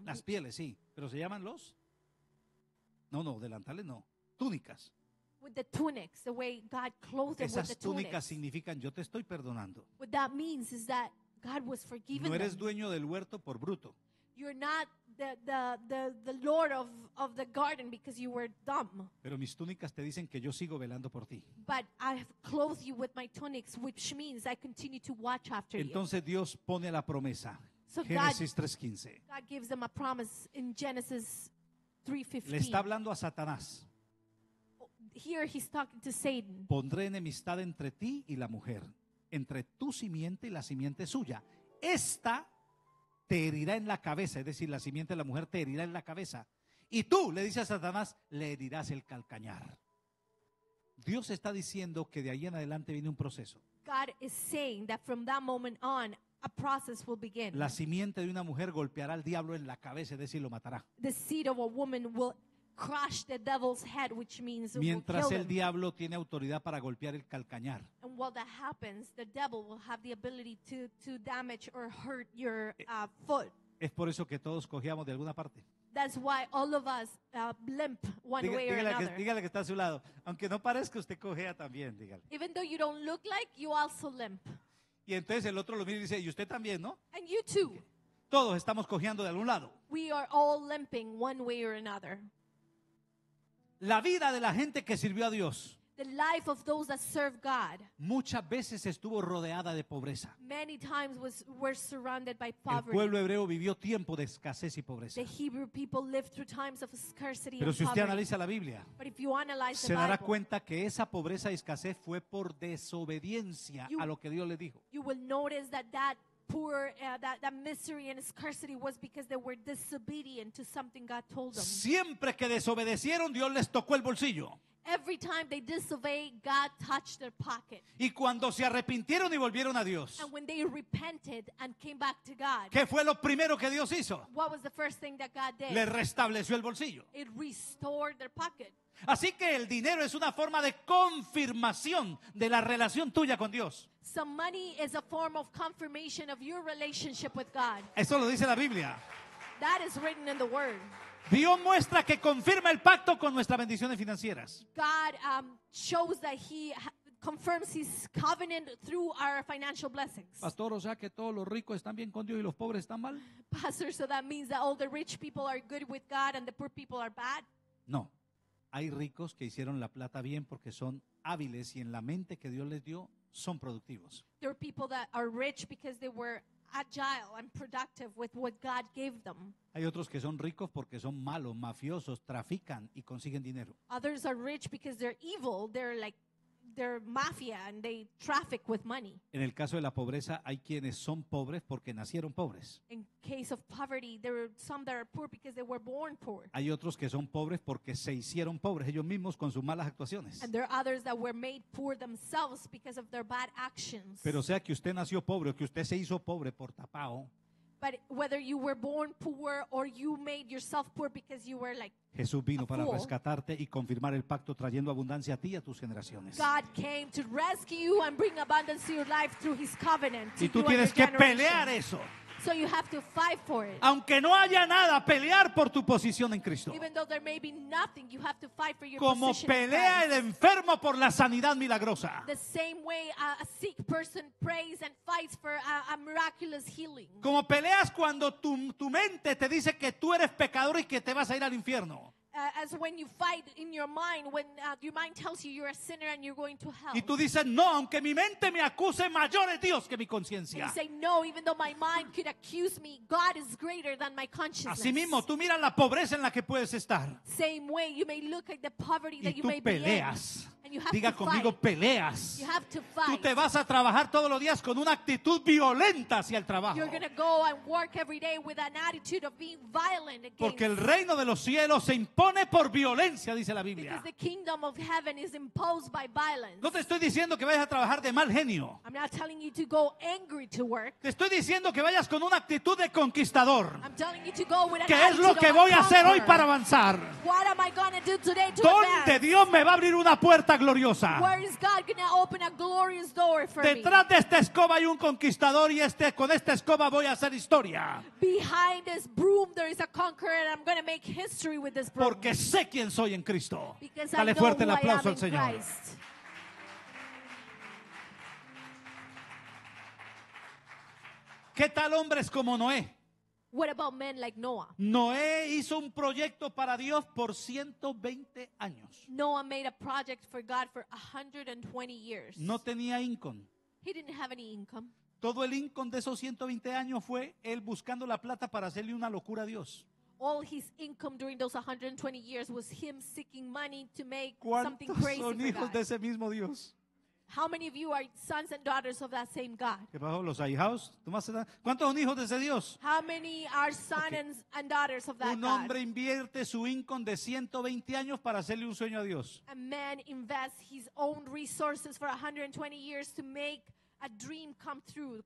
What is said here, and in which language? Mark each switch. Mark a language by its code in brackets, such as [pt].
[es] las pieles, sí, pero se llaman los, no, delantales, no, túnicas. [en] With the tunics, the way God clothed them with the tunics. [es] Esas túnicas significan yo te estoy perdonando. [en] What that means is that God was forgiven. [es] No eres dueño del huerto por bruto. [en] You're not the lord of the garden because you were dumb. [es] Pero mis túnicas te dicen que yo sigo velando por ti. [en] But I have clothed you with my tunics, which means I continue to watch after you. [es] Entonces Dios pone la promesa. [en] So [es] Génesis 3:15. [en] God gives them a promise in Genesis 3:15. [es] Le está hablando a Satanás. [en] Here he's talking to Satan. [es] Pondré enemistad entre ti y la mujer, entre tu simiente y la simiente suya. Esta te herirá en la cabeza, es decir, la simiente de la mujer te herirá en la cabeza. Y tú, le dice a Satanás, le herirás el calcañar. Dios está diciendo que de ahí en adelante viene un proceso. [en] God is saying that from that moment on, a process will begin. [es] La simiente de una mujer golpeará al diablo en la cabeza, es decir, lo matará. [en] The seed of a woman will crush the devil's head, which means [es] mientras [en] will kill [es] el diablo tiene autoridad para golpear el calcañar. [en] And while that happens, the devil will have the ability to damage or hurt your foot. [es] Es por eso que todos cojeamos de alguna parte. [en] That's why all of us limp one way or another. [es] Dígale que está a su lado, aunque no parezca usted cojea también, dígale. [en] Even though you don't look like, you also limp. [es] Y entonces el otro lo mira y dice, y usted también, ¿no? [en] And you too. [es] Todos estamos cojeando de algún lado. [en] We are all limping one way or another. [es] La vida de la gente que sirvió a Dios. [en] The life of those that serve God. [es] Muchas veces estuvo rodeada de pobreza. [en] Many times were surrounded by poverty. [es] El pueblo hebreo vivió tiempo de escasez y pobreza. [en] The Hebrew people lived through times of scarcity. [es] Pero [en] and poverty. [es] Si usted analiza la Biblia, [en] but if you analyze [es] se [en] the [es] dará [en] Bible, [es] cuenta que esa pobreza y escasez fue por desobediencia a lo que Dios le dijo. [en] You will notice that poor that misery and scarcity was because they were disobedient to something God told them. [es] Siempre que desobedecieron, Dios les tocó el bolsillo. [en] Every time they disobeyed, God touched their pocket. [es] Y cuando se arrepintieron y volvieron a Dios. [en] And when they repented and came back to God. [es] ¿Qué fue lo primero que Dios hizo? [en] What was the first thing that God did? [es] Le restableció el bolsillo. [en] It restored their pocket. [es] Así que el dinero es una forma de confirmación de la relación tuya con Dios. [en] So money is a form of confirmation of your relationship with God. [es] Eso lo dice la Biblia. [en] That is written in the Word. [es] Dios muestra que confirma el pacto con nuestras bendiciones financieras. [en] God shows that he confirms his covenant through our financial blessings. [es] Pastor, o sea que todos los ricos están bien con Dios y los pobres están mal? [en] Pastor, so that means that all the rich people are good with God and the poor people are bad? [es] No. Hay ricos que hicieron la plata bien porque son hábiles y en la mente que Dios les dio son productivos. [en] There are people that are rich because they were agile and productive with what God gave them. [es] Hay otros que son ricos porque son malos, mafiosos, trafican y consiguen dinero. [en] Others are rich because they're evil, they're like they're mafia and they traffic with money. [es] En el caso de la pobreza hay quienes son pobres porque nacieron pobres. [en] In case of poverty there are some that are poor because they were born poor. [es] Hay otros que son pobres porque se hicieron pobres ellos mismos con sus malas actuaciones. [en] And there are others that were made poor themselves because of their bad actions. [es] Pero sea que usted nació pobre o que usted se hizo pobre por tapao. [en] But whether you were born poor or you made yourself poor because you were like [es] Jesús vino para rescatarte y confirmar el pacto trayendo abundancia a ti y a tus generaciones. [en] God came to rescue you and bring abundance to your life through his covenant. [es] Y tú tienes que pelear eso. [en] So you have to fight for it. [es] Aunque no haya nada, pelear por tu posición en Cristo. [en] Even though there may be nothing, you have to fight for your position. [es] Como pelea el enfermo por la sanidad milagrosa. [en] The same way a sick person prays and fights for a miraculous healing. [es] Como peleas cuando tu mente te dice que tú eres pecador y que te vas a ir al infierno. [en] As when you fight in your mind, when your mind tells you you're a sinner and you're going to hell. [es] Y tú dices, no, aunque mi mente me acuse, mayor es Dios que mi conciencia. [en] You say, no, even though my mind could accuse me, God is greater than my consciousness. [es] Así mismo, tú miras la pobreza en la que puedes estar. [en] Same way, you may look at the poverty that you may be in. [es] Y tú peleas. [en] And you have [es] diga [en] to fight. [es] Conmigo, peleas. [en] You have to fight. [es] Tú te vas a trabajar todos los días con una actitud violenta hacia el trabajo. [en] You're going to go and work every day with an attitude of being violent against. [es] Porque el reino de los cielos se impone por violencia, dice la Biblia. [en] Because the kingdom of heaven is imposed by violence. [es] No te estoy diciendo que vayas a trabajar de mal genio. [en] I'm not telling you to go angry to work. [es] Te estoy diciendo que vayas con una actitud de conquistador. [en] I'm telling you to go with an [es] ¿qué es lo que voy [en] conqueror. [es] A hacer hoy para avanzar? [en] What am I going to do today to [es] ¿dónde [en] advance? [es] Dios me va a abrir una puerta gloriosa. [en] Where is God going to open a glorious door for [es] detrás [en] me? [es] De esta escoba hay un conquistador y con esta escoba voy a hacer historia. [en] Behind this broom there is a conqueror and I'm going to make history with this broom. [es] Porque sé quién soy en Cristo. [en] Because [es] dale [en] I know [es] fuerte [en] who [es] el aplauso al Señor. [en] Christ. [es] ¿Qué tal hombres como Noé? [en] What about men like Noah? [es] Noé hizo un proyecto para Dios por 120 años. [en] Noah made a project for God for 120 years. [es] No tenía income. [en] He didn't have any income. [es] Todo el income de esos 120 años fue él buscando la plata para hacerle una locura a Dios. [en] All his income during those 120 years was him seeking money to make something crazy. [es] ¿Cuántos son hijos de ese mismo Dios? [en] How many of you are sons and daughters of that same God? [es] ¿Qué pasó? ¿Los ahijados? ¿Cuántos son hijos de ese Dios? [en] How many are sons okay. and daughters of that God? [es] Un hombre invierte su income de 120 años para hacerle un sueño a Dios. [en] A man invests his own resources for 120 years to make a dream come through.